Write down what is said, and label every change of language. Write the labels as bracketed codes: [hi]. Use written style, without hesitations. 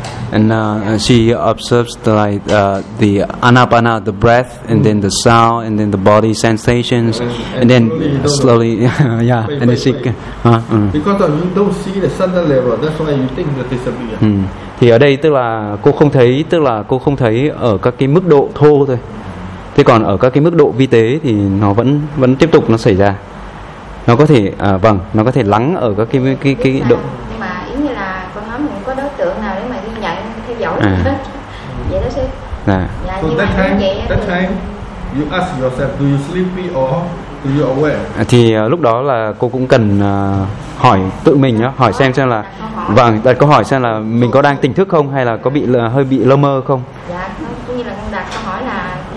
[en] And she observes the anapana, the breath, and then the sound, and then the body sensations, and then slowly, yeah, and then she, because you don't see the center level, that's why you think that disappear. [vi] Thì ở đây tức là cô không thấy ở các cái mức độ thô thôi. Thế còn ở các cái mức độ vi tế thì nó vẫn tiếp tục nó xảy ra. Nó có thể nó có thể lắng ở các cái độ. Nhưng mà ý như là con nói mình có đối tượng nào để mà ghi nhận theo dõi vậy đó sư. [en] So that time you ask yourself, do you sleepy or do you aware? [vi] Thì lúc đó là cô cũng cần hỏi tự mình nhá, hỏi xem là đặt câu hỏi xem là mình có đang tỉnh thức không hay là có bị hơi bị lơ mơ không. Dạ, cũng như là con đặt câu hỏi là